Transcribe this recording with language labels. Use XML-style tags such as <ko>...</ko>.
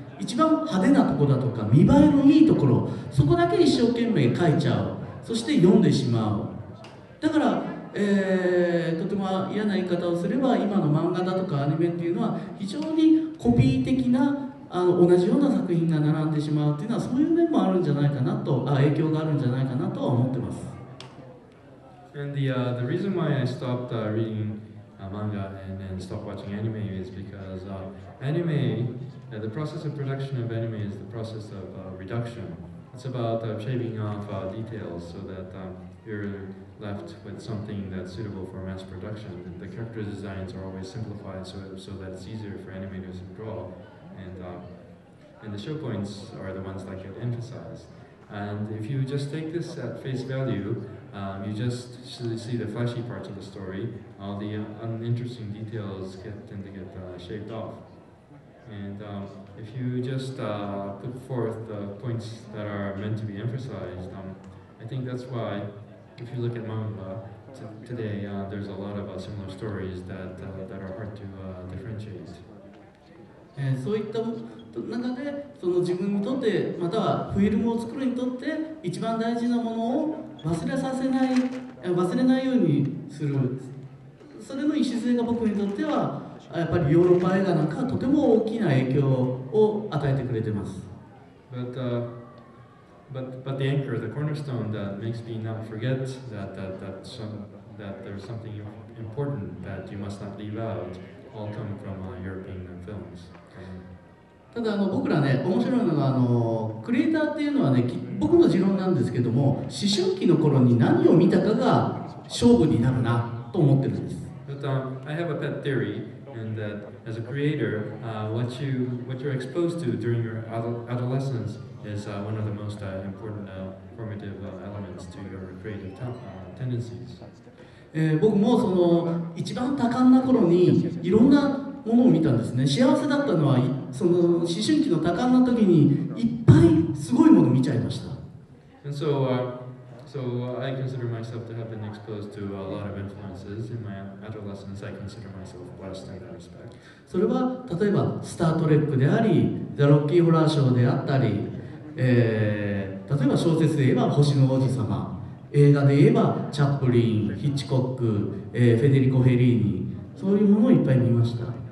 <ja>一番派手なとこだとか見栄えのいいところ、そこだけ一生懸命描いちゃう、そして読んでしまう。だからとても嫌な言い方をすれば、今の漫画だとかアニメっていうのは非常にコピー的な、あの同じような作品が並んでしまうっていうのは、そういう面もあるんじゃないかなと、影響があるんじゃないかなとは思ってます。</ja> <en>And the reason why I stopped reading manga and then stopped watching anime is because anime, the process of production of anime is the process of reduction. It's about shaving off details so that you'relift with something that's suitable for mass production. The character designs are always simplified so that it's easier for animators to draw, and the show points are the ones that get emphasized. And if you just take this at face value, you just see the flashy parts of the story, all the uninteresting details tend to get shaved off. And if you just put forth the points that are meant to be emphasized, I think that's whyIf you look at manga today, there's a lot of similar stories that are hard to differentiate.</en> <ja>そういった中で、その自分にとって、またはフィルムを作るにとって、一番大事なものを忘れないようにする。それの礎が僕にとっては、やっぱりヨーロッパ映画なんかとても大きな影響を与えてくれてます。</ja> <en>But the anchor, the cornerstone that makes me not forget that there's something important that you must not leave out, all come from European films.</en> <ja>ただあの僕らね、面白いのがあのクリエイターっていうのはね、僕の持論なんですけども、思春期の頃に何を見たかが勝負になるなと思ってるんです。</ja> <en>But I have a pet theory in that as a creator, what you're exposed to during your adolescenceis one of the most important formative elements to your creative tendencies.</en> <ja>僕もその一番多感な頃にいろんなものを見たんですね。幸せだったのはその思春期の多感な時にいっぱいすごいものを見ちゃいました。</ja> <en>And so, I consider myself to have been exposed to a lot of influences in my adolescence. I consider myself blessed in that respect.</en> <ja>それは例えばスタートレックであり、ザ・ロッキーホラーショーであったり、例えば小説で言えば星の王子様、映画で言えばチャップリン、ヒッチコック、フェデリコ・フェリーニ、そういうものをいっぱい見ました。</ja>